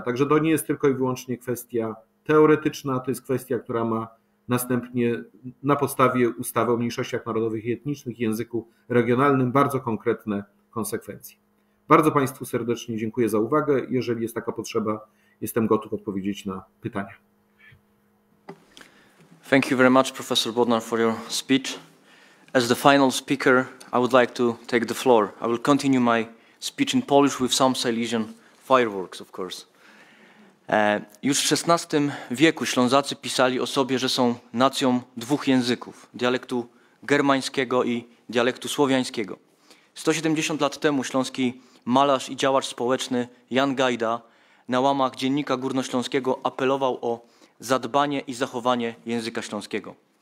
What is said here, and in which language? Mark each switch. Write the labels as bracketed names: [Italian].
[Polish] Także to nie jest tylko i wyłącznie kwestia teoretyczna, to jest kwestia, która ma następnie na podstawie ustawy o mniejszościach narodowych i etnicznych i języku regionalnym bardzo konkretne konsekwencje. Bardzo państwu serdecznie dziękuję za uwagę. Jeżeli jest taka potrzeba, jestem gotów odpowiedzieć na pytania. [English] Thank you very much, Professor Bodnar, for your speech. As the final speaker, I would like to take the floor. I will continue my speech in Polish with some Silesian fireworks, of course. [Polish] Już w XVI wieku Ślązacy pisali o sobie, że są nacją dwóch języków, dialektu germańskiego i dialektu słowiańskiego. 170 lat temu śląski malarz i działacz społeczny Jan Gajda na łamach Dziennika Górnośląskiego apelował o zadbanie i zachowanie języka śląskiego.